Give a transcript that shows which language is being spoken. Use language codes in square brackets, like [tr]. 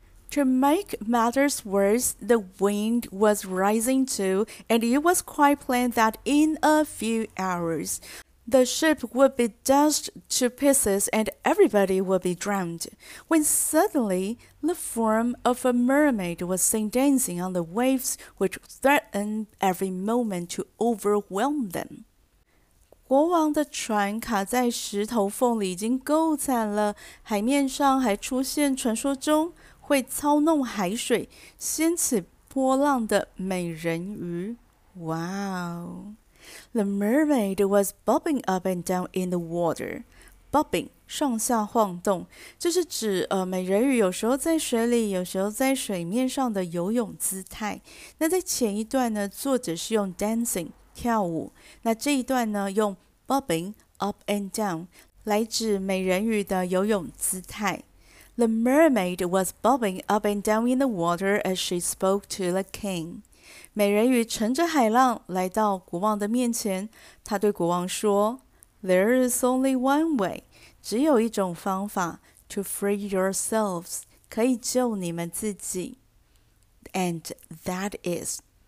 [en] To make matters worse the wind was rising too and it was quite plain that in a few hours The ship would be dashed to pieces and everybody would be drowned. When suddenly, the form of a mermaid was seen dancing on the waves which threatened every moment to overwhelm them. [zh] 国王的船卡在石头缝里已经够惨了，海面上还出现传说中会操弄海水，掀起波浪的美人鱼。 [en] Wow! The mermaid was bobbing up and down in the water. [zh] Bobbing, 上下晃动，这是指美人鱼有时候在水里，有时候在水面上的游泳姿态。那在前一段呢，作者是用 dancing, 跳舞。那这一段呢，用 [en] bobbing up and down [zh] 来指美人鱼的游泳姿态。 [en] The mermaid was bobbing up and down in the water as she spoke to the king. [zh] 美人鱼乘着海浪来到国王的面前，她对国王说 [en] There is only one way, [zh] 只有一种方法 [en] to free yourselves, [zh] 可以救你们自己。 [en] And that is,